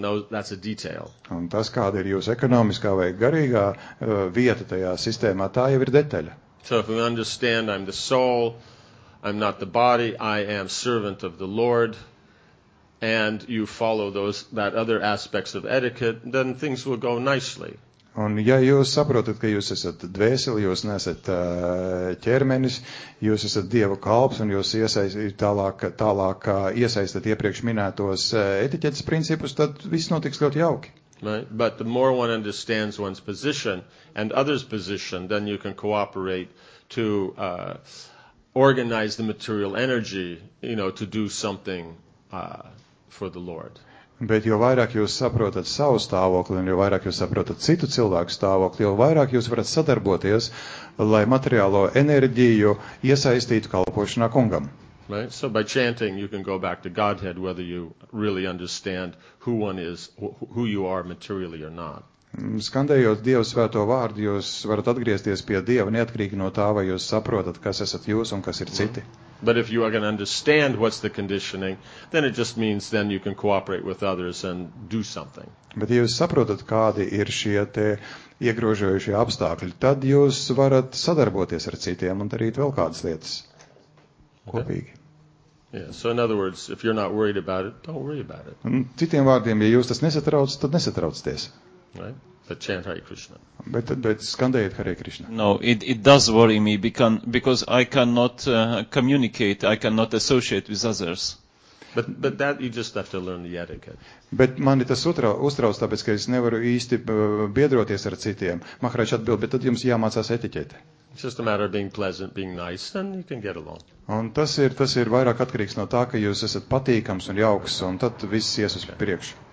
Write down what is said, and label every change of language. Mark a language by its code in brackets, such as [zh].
[en] No, that's a detail. [lv] Un tas, kāda ir jūsu ekonomiskā vai garīgā vieta tajā sistēmā, tā jau ir detaļa. [en] So if we understand I'm the soul, I'm not the body, I am servant of the Lord, and you follow that other aspects of etiquette, then things will go nicely. [lv] Un ja jūs saprotat, ka jūs esat dvēseli, jūs nesat ķermenis, jūs esat Dieva kalps, un jūs tālāk iesaistat iepriekš minētos etiķetes principus, tad viss notiks ļoti jauki. [en] Right? But the more one understands one's position and others' position, then you can cooperate to organize the material energy, you know, to do something for the Lord. [lv] Bet jo vairāk jūs saprotat savu stāvokli un jo vairāk jūs saprotat citu cilvēku stāvokli, jo vairāk jūs varat sadarboties, lai materiālo enerģiju iesaistītu kalpošanā kungam. [en] Right? So by chanting you can go back to Godhead whether you really understand who one is, who you are materially or not. [lv] Skandējot Dieva svēto vārdu, jūs varat atgriezties pie Dieva neatkarīgi no tā, vai jūs saprotat, kas esat jūs un kas ir citi. [en] But if you are going to understand what's the conditioning, then it just means then you can cooperate with others and do something. [lv] Bet ja jūs saprotat, kādi ir šie te iegrožojušie apstākļi, tad jūs varat sadarboties ar citiem un darīt vēl kādas lietas kopīgi. [en] Okay. Yeah, so in other words, if you're not worried about it, don't worry about it. [lv] Un citiem vārdiem, ja jūs tas nesatrauc, tad nesatraucieties. [en] Right? But chant Hare Krishna. [lv] Bet skandējiet Hare Krishna. [en] No, it does worry me because I cannot communicate, I cannot associate with others. But that you just have to learn the etiquette. [lv] Bet mani tas uztrauc, tāpēc, ka es nevaru īsti biedroties ar citiem. Maharaj atbild, bet tad jums jāmācās etiķete. [en] It's just a matter of being pleasant, being nice, then you can get along. [lv] Un tas ir vairāk atkarīgs no tā, ka jūs esat patīkams un jauks, un tad viss ies uz priekšu.